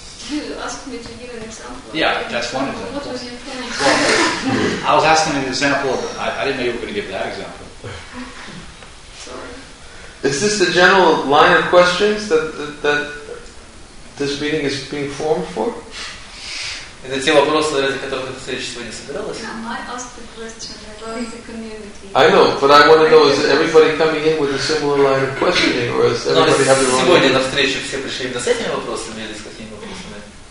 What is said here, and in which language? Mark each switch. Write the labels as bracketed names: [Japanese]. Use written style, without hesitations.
[English] You asked me to give an example. Yeah, that's one example. What was your point? Well, I was asking an example. I didn't know you were going to give that example. Sorry. Is this the general line of questions that this meeting is being formed for? [Russian] Это те вопросы, ради которых эта встреча сегодня собиралась? [English] Yeah, I asked the question about the community. I know, but I want to know, is everybody coming in with a similar line of questioning, or is everybody having their own... [Russian] Сегодня на встречу все пришли именно с этими вопросами, или с какими вопросами?